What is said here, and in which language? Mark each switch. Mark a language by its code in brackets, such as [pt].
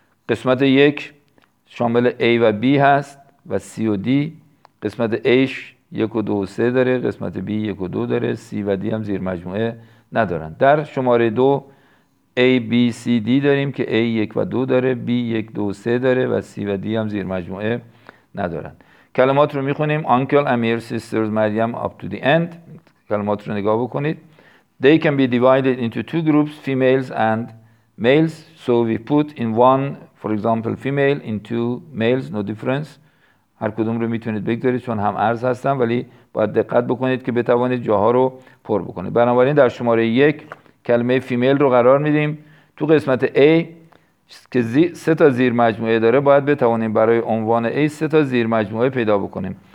[fa] قسمت 1 شامل A و B هست و C و D. قسمت A 1 و 2 و 3 داره، قسمت B 1 و 2 داره، C و D هم زیر مجموعه ندارن. در شماره دو A, B, C, D داریم که A 1 و 2 داره، B 1, 2, 3 داره و C و D هم زیر مجموعه ندارن. کلمات رو میخونیم. [en] Uncle, Amir, Sisters, Maryam up to the end. کلمات رو نگاه بکنید. They can be divided into two groups, females and males. So we put in one, for example, female, in two males, no difference. [fa] هر کدوم رو میتونید بگذارید چون هم عرض هستن، ولی باید دقت بکنید که بتوانید جاها رو پر بکنید. بنابراین در شماره یک کلمه فیمیل رو قرار میدیم. تو قسمت A که سه تا زیر مجموعه داره باید بتوانیم برای عنوان A سه تا زیر مجموعه پیدا بکنیم.